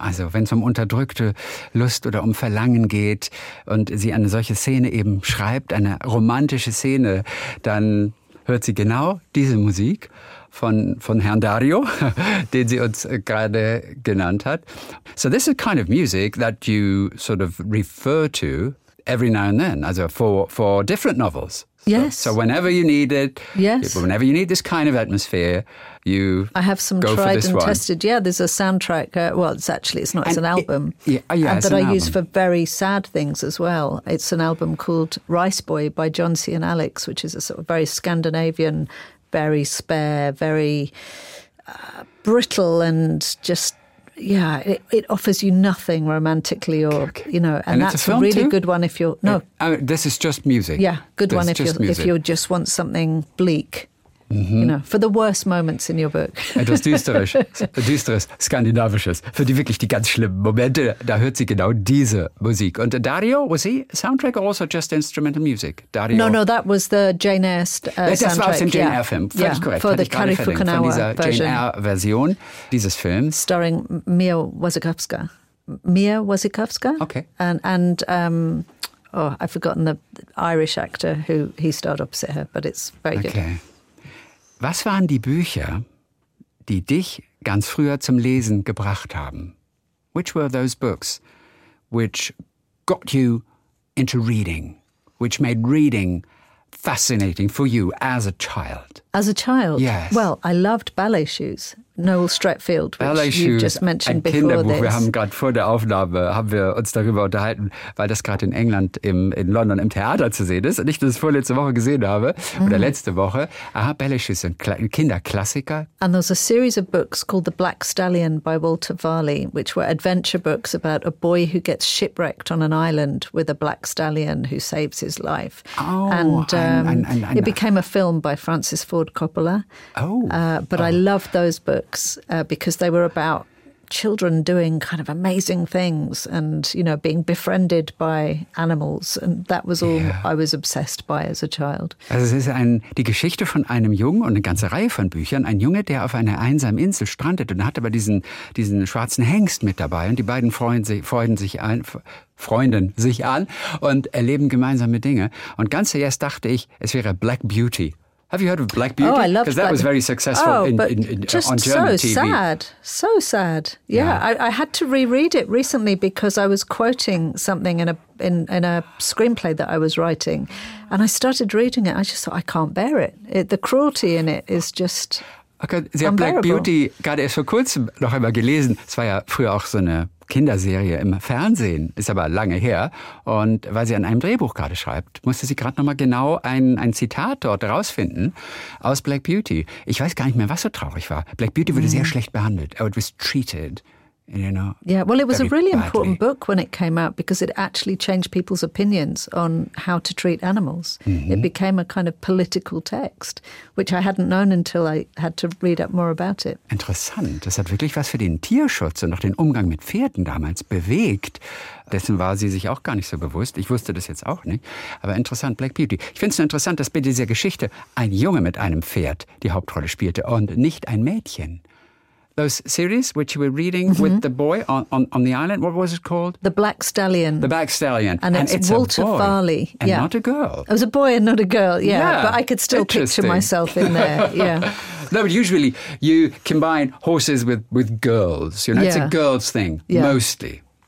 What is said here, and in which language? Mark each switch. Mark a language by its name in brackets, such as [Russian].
[German] Also, wenn es unterdrückte Lust oder Verlangen geht und sie eine solche Szene eben schreibt, eine romantische Szene, dann hört sie genau diese Musik von Herrn Dario, den sie uns gerade genannt hat. [English] So this is kind of music that you sort of refer to every now and then, also for different novels. Yes. So whenever you need it, whenever you need this kind of atmosphere, you I have some go tried and one. Tested. Yeah, there's a soundtrack. It's an album. It's an album. I use for very sad things as well. It's an album called Rice Boy by John C. and Alex, which is a sort of very Scandinavian, very spare, very brittle and just, it offers you nothing romantically or, you know. And that's a really good one if you're, This is just music. Yeah, good one if you just want something bleak. Mm-hmm. You know, for the worst moments in your book. [German] Etwas düsteres, skandinavisches. Für die wirklich die ganz schlimmen Momente, da hört sie genau diese Musik. [English] Und Dario, was he soundtrack or also just instrumental music? Dario. No, that was the Jane Eyre soundtrack. [German] Das war aus dem Jane Eyre Film, völlig korrekt. [English] For the Cary Fukunawa [German] Jane Eyre Version dieses Films. [English] Starring Mia Wasikowska. Mia Wasikowska. Okay. And I've forgotten the Irish actor who he starred opposite her, but it's very good. Okay. [German] Was waren die Bücher, die dich ganz früher zum Lesen gebracht haben? [English] Which were those books which got you into reading, which made reading fascinating for you as a child? As a child? Yes. Well, I loved Ballet Shoes, Noel Stretfield, which you just mentioned before [German] Kinderbuch. [English] This. [German] Wir haben gerade vor der Aufnahme haben wir uns darüber unterhalten, weil das gerade in England, in London im Theater zu sehen ist. Und ich das vorletzte Woche gesehen habe, oder letzte Woche. Aha, Ballet Shoes, ein Kinderklassiker. [English] And there's a series of books called The Black Stallion by Walter Varley, which were adventure books about a boy who gets shipwrecked on an island with a black stallion who saves his life. Oh, and it became a film by Francis Ford Coppola. But I loved those books. Because they were about children doing kind of amazing things and, you know, being befriended by animals. And that was all I was obsessed by as a child. [German] Also es ist die Geschichte von einem Jungen und eine ganze Reihe von Büchern. Ein Junge, der auf einer einsamen Insel strandet und hat aber diesen schwarzen Hengst mit dabei. Und die beiden freunden sich an und erleben gemeinsame Dinge. Und ganz zuerst dachte ich, es wäre Black Beauty. [English] Have you heard of Black Beauty? Oh, I love Because that was very successful on German TV. Just so sad. So sad. Yeah. I had to reread it recently because I was quoting something in a screenplay that I was writing. And I started reading it. I just thought, I can't bear it. The cruelty in it is just unbearable. [German] Okay, Sie haben Black Beauty gerade erst vor kurzem noch einmal gelesen. Es war ja früher auch so eine Kinderserie im Fernsehen, ist aber lange her. Und weil sie an einem Drehbuch gerade schreibt, musste sie gerade nochmal genau ein Zitat dort rausfinden aus Black Beauty. Ich weiß gar nicht mehr, was so traurig war. Black Beauty wurde sehr schlecht behandelt. [English] Oh, it was treated, you know. Yeah, well, it was a really important book when it came out because it actually changed people's opinions on how to treat animals. Mm-hmm. It became a kind of political text, which I hadn't known until I had to read up more about it. [German] Interessant. Das hat wirklich was für den Tierschutz und auch den Umgang mit Pferden damals bewegt. Dessen war sie sich auch gar nicht so bewusst. Ich wusste das jetzt auch nicht. Aber interessant, Black Beauty. Ich finde es nur interessant, dass bei dieser Geschichte ein Junge mit einem Pferd die Hauptrolle spielte und nicht ein Mädchen. [English] Those series which you were reading with the boy on the island, what was it called? The Black Stallion. The Black Stallion. And it's Walter Varley. And not a girl. It was a boy and not a girl, but I could still picture myself in there, No, but usually you combine horses with girls, you know, it's a girl's thing, mostly.